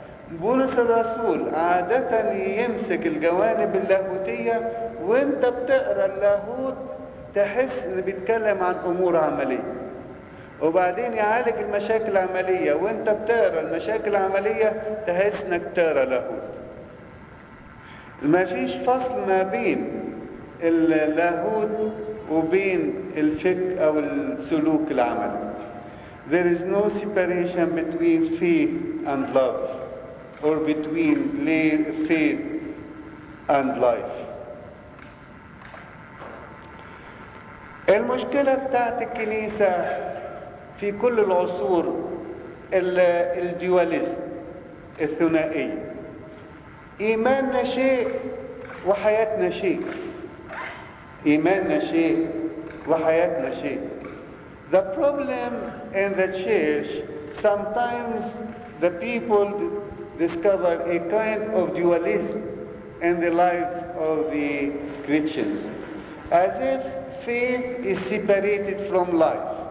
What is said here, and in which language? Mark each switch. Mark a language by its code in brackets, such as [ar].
[ar] بولس الرسول عادة يمسك الجوانب اللاهوتية، وانت بتقرأ اللاهوت تحس ان بيتكلم عن أمور عملية، وبعدين يعالج المشاكل العملية، وانت بتقرا المشاكل العملية تحس انك تقرا لاهوت. ما فيش فصل ما بين اللاهوت وبين الفك او السلوك العملي. [en] There is no separation between faith and love or between faith and life. [ar] المشكلة بتاعت الكنيسة في كل العصور الديواليزم الثنائي، إيماننا شيء وحياتنا شيء، إيماننا شيء وحياتنا شيء. [en] The problem in the church, sometimes the people discover a kind of dualism in the lives of the Christians. as if faith is separated from life.